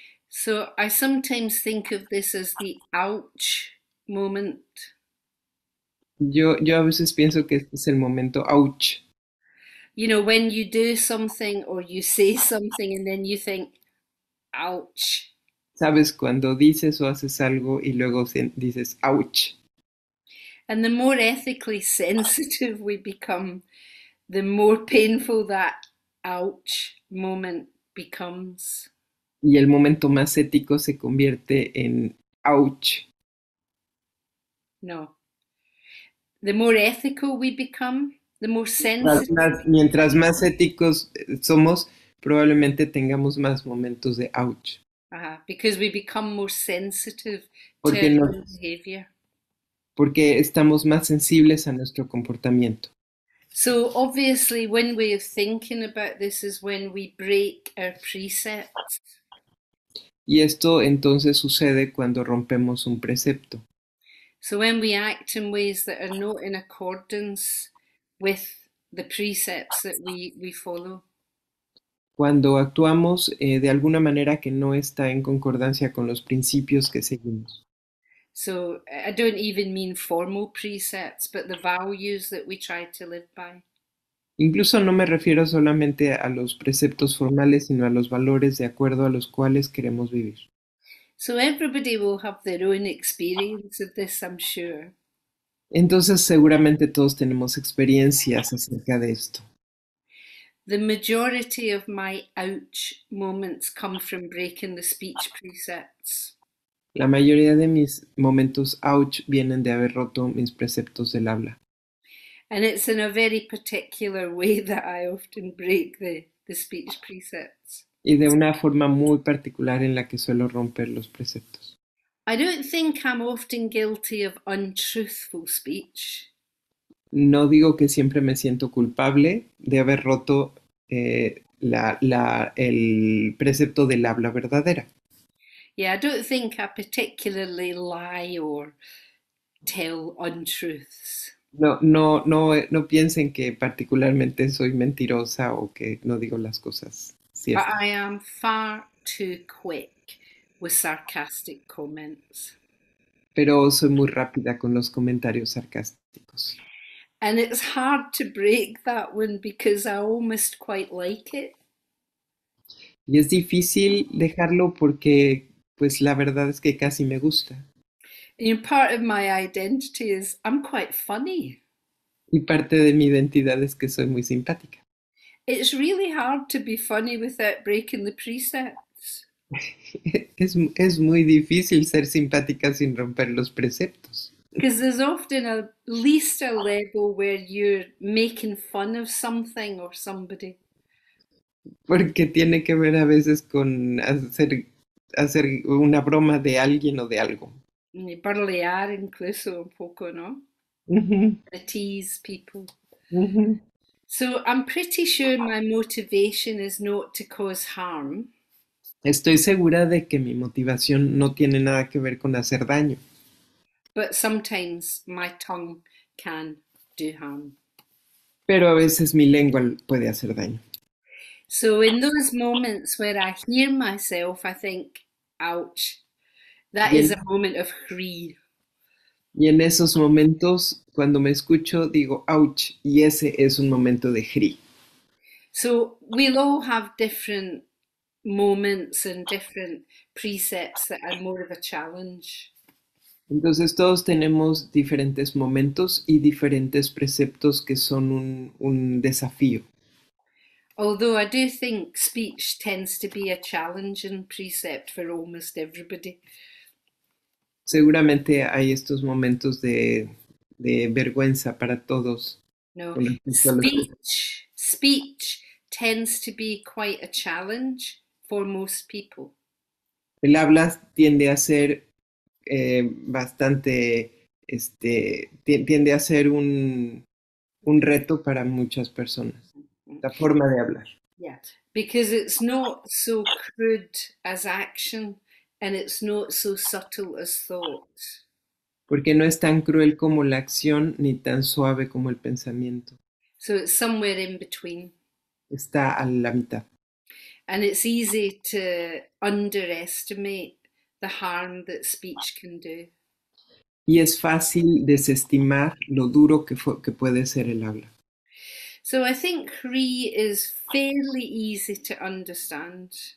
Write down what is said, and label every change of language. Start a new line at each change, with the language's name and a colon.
English: So I sometimes think of this as the ouch moment.
Spanish: Yo a veces pienso que este es el momento ouch.
English: You know, when you do something or you say something and then you think, ouch.
Spanish: Sabes, cuando dices o haces algo y luego dices, ouch.
English: And the more ethically sensitive we become, the more painful that ouch moment becomes.
Spanish: Y el momento más ético se convierte en ouch.
English: No. The more ethical we become, the more
Spanish: Mientras
English: sensitive
Spanish: más
English: we become.
Spanish: éticos somos, probablemente tengamos más momentos de ouch.
English: Because we become more sensitive to our
Spanish: Porque
English: own behavior.
Spanish: estamos más sensibles a nuestro comportamiento.
English: So obviously, one way of thinking about this is when we break our precepts.
Spanish: Y esto entonces sucede cuando rompemos un precepto.
English: So when we act in ways that are not in accordance with the precepts that we follow.
Spanish: Cuando actuamos de alguna manera que no está en concordancia con los principios que seguimos.
English: So I don't even mean formal precepts, but the values that we try to live by.
Spanish: Incluso no me refiero solamente a los preceptos formales, sino a los valores de acuerdo a los cuales queremos vivir.
English: So everybody will have their own experience of this, I'm sure.
Spanish: Entonces, seguramente todos tenemos experiencias acerca de esto.
English: The majority of my ouch moments come from breaking the speech precepts.
Spanish: La mayoría de mis momentos ouch vienen de haber roto mis preceptos del habla.
English: And it's in a very particular way that I often break the speech precepts.
Spanish: Y de una forma muy particular en la que suelo romper los preceptos.
English: I don't think I'm often guilty of untruthful speech.
Spanish: No digo que siempre me siento culpable de haber roto el precepto del habla verdadera.
English: Yeah, I don't think I particularly lie or tell untruths.
Spanish: No piensen que particularmente soy mentirosa o que no digo las cosas
English: But
Spanish: ciertas.
English: I am far too quick with sarcastic comments.
Spanish: Pero soy muy rápida con los comentarios sarcásticos.
English: And it's hard to break that one because I almost quite like it.
Spanish: Y es difícil dejarlo porque, pues, la verdad es que casi me gusta.
English: You know, part of my identity is I'm quite funny.
Spanish: Y parte de mi identidad es que soy muy simpática.
English: It's really hard to be funny without breaking the precepts.
Spanish: Es muy difícil ser simpática sin romper los preceptos.
English: Because there's often at least a level where you're making fun of something or somebody.
Spanish: Porque tiene que ver a veces con hacer una broma de alguien o de algo. Burlear incluso un poco, ¿no?
English: To tease people. So I'm pretty sure my motivation is not to cause harm.
Spanish: Estoy segura de que mi motivación no tiene nada que ver con hacer daño.
English: But sometimes my tongue can do harm.
Spanish: Pero a veces mi lengua puede hacer daño.
English: So in those moments where I hear myself, I think, ouch, that is a moment of grief.
Spanish: Y en esos momentos, cuando me escucho, digo, ouch, y ese es un momento de gri.
English: So we'll all have different moments and different precepts that are more of a challenge.
Spanish: Entonces todos tenemos diferentes momentos y diferentes preceptos que son un desafío.
English: Although I do think speech tends to be a challenging precept for almost everybody.
Spanish: Seguramente hay estos momentos de vergüenza para todos
English: No,
Spanish: con respecto a los preceptos.
English: speech tends to be quite a challenge for most people.
Spanish: El habla tiende a ser bastante, tiende a ser un reto para muchas personas, la forma de hablar.
English: Yeah, because it's not so crude as action and it's not so subtle as thought.
Spanish: Porque no es tan cruel como la acción ni tan suave como el pensamiento.
English: So it's somewhere in between.
Spanish: Está a la mitad.
English: And it's easy to underestimate the harm that speech can do.
Spanish: Y es fácil desestimar lo duro que puede ser el habla.
English: So I think Hri is fairly easy to understand.